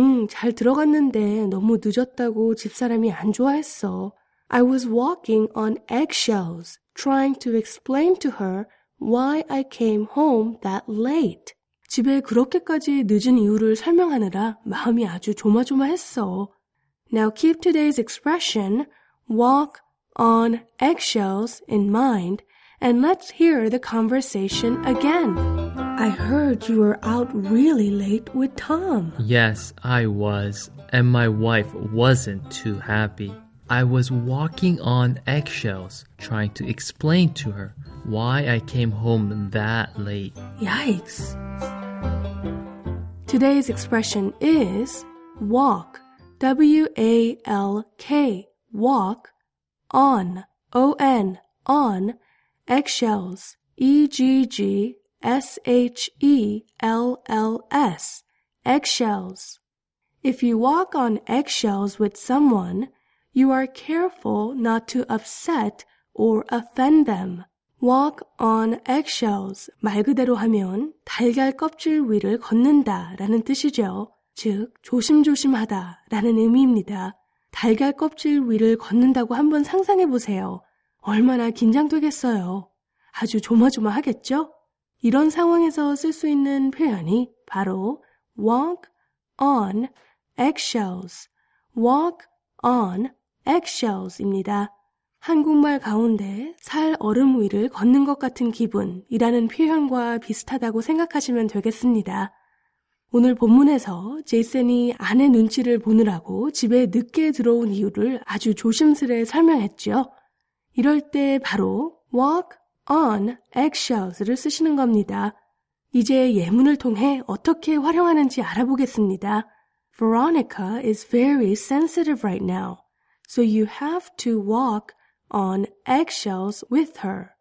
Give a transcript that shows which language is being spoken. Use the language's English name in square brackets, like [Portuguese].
[Korean] 잘 들어갔는데 너무 늦었다고 집사람이 안 좋아했어. [English] I was walking on eggshells, trying to explain to her why I came home that late. [Korean] 집에 그렇게까지 늦은 이유를 설명하느라 마음이 아주 조마조마했어. [English] Now keep today's expression, walk on eggshells, in mind, and let's hear the conversation again. I heard you were out really late with Tom. Yes, I was, and my wife wasn't too happy. I was walking on eggshells, trying to explain to her why I came home that late. Yikes! Today's expression is walk, W-A-L-K, walk, on, O-N, on, eggshells, E-G-G-S-H-E-L-L-S, eggshells. If you walk on eggshells with someone, you are careful not to upset or offend them. Walk on eggshells. [Korean] 말 그대로 하면 달걀 껍질 위를 걷는다 라는 뜻이죠. 즉, 조심조심하다 라는 의미입니다. 달걀 껍질 위를 걷는다고 한번 상상해 보세요. 얼마나 긴장되겠어요. 아주 조마조마하겠죠? 이런 상황에서 쓸 수 있는 표현이 바로 [English] walk on eggshells. Walk on eggshells입니다. [Korean] 한국말 가운데 살 얼음 위를 걷는 것 같은 기분이라는 표현과 비슷하다고 생각하시면 되겠습니다. 오늘 본문에서 제이슨이 아내 눈치를 보느라고 집에 늦게 들어온 이유를 아주 조심스레 설명했죠. 이럴 때 바로 [English] walk on eggshells [Korean] 를 쓰시는 겁니다. 이제 예문을 통해 어떻게 활용하는지 알아보겠습니다. [English] Veronica is very sensitive right now, so you have to walk on eggshells with her.